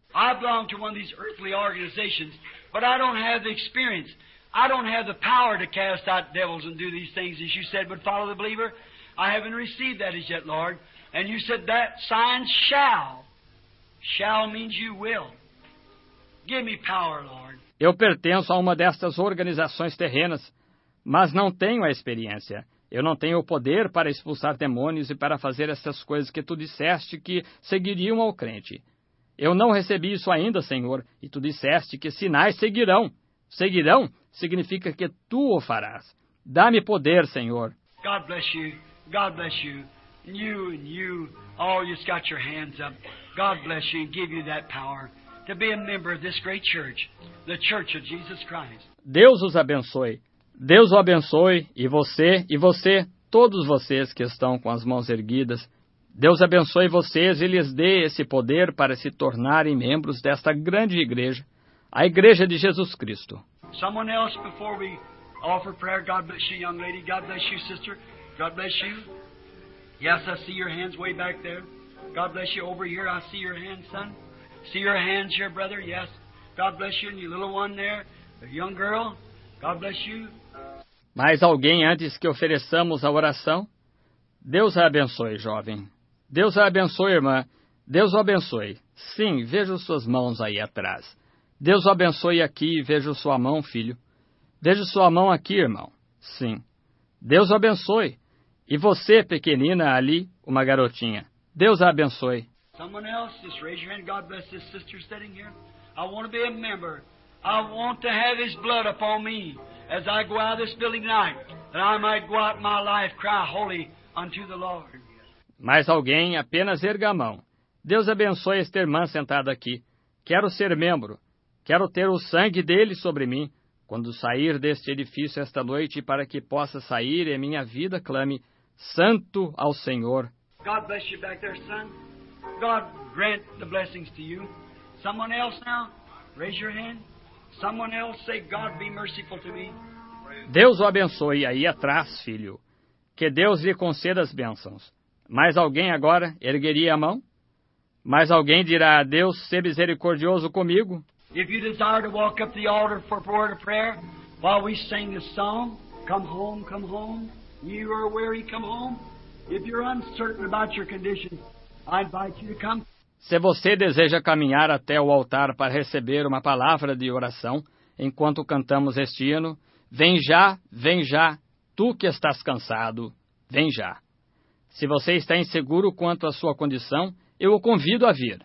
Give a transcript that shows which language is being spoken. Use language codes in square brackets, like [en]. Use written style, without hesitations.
[en] I belong to one of these earthly organizations, but I don't have the experience. I don't have the power to cast out devils and do these things as you said would follow the believer. I haven't received that as yet, Lord. And you said that sign shall. Shall means you will. Give me power, Lord. [pt] Eu pertenço a uma destas organizações terrenas, mas não tenho a experiência. Eu não tenho o poder para expulsar demônios e para fazer essas coisas que tu disseste que seguiriam ao crente. Eu não recebi isso ainda, Senhor, e tu disseste que sinais seguirão. Seguirão significa que tu o farás. Dá-me poder, Senhor. [en] God bless you. God bless you. You and you, all just got your hands up. God bless you and give you that power to be a member of this great church, the Church of Jesus Christ. [pt] Deus os abençoe. Deus o abençoe e você, todos vocês que estão com as mãos erguidas. Deus abençoe vocês e lhes dê esse poder para se tornarem membros desta grande igreja, a Igreja de Jesus Cristo. [en] Someone else before we offer prayer. God bless you, young lady. God bless you, sister. God bless you. Yes, I see your hands way back there. God bless you over here. I see your hands, son. See your hands here, brother. Yes. God bless you and your little one there, the young girl. God bless you. [pt] Mais alguém antes que ofereçamos a oração? Deus a abençoe, jovem. Deus a abençoe, irmã. Deus o abençoe. Sim, vejo suas mãos aí atrás. Deus o abençoe aqui e vejo sua mão, filho. Vejo sua mão aqui, irmão. Sim. Deus o abençoe. E você, pequenina, ali, uma garotinha. Deus a abençoe. [en] Someone else, just raise your hand. God bless this sister sitting here. I want to be a member. I want to have his blood upon me as I go out of this building tonight, that I might go out my life, cry holy unto the Lord. [pt] Mais alguém, apenas erga a mão. Deus abençoe esta irmã sentada aqui. Quero ser membro. Quero ter o sangue dele sobre mim quando sair deste edifício esta noite, para que possa sair e minha vida clame santo ao Senhor. [en] God bless you back there, son. God grant the blessings to you. Someone else now, raise your hand. Someone else say, God be merciful to me. [pt] Deus o abençoe aí atrás, filho. Que Deus lhe conceda as bênçãos. Mais alguém agora ergueria a mão? Mais alguém dirá: Deus, se misericordioso comigo? [en] If you desire to walk up the altar for a word of prayer while we sing this song, come home, you are weary, come home. If you're uncertain about your condition, I invite you to come. [pt] Se você deseja caminhar até o altar para receber uma palavra de oração enquanto cantamos este hino, vem já, tu que estás cansado, vem já. Se você está inseguro quanto à sua condição, eu o convido a vir.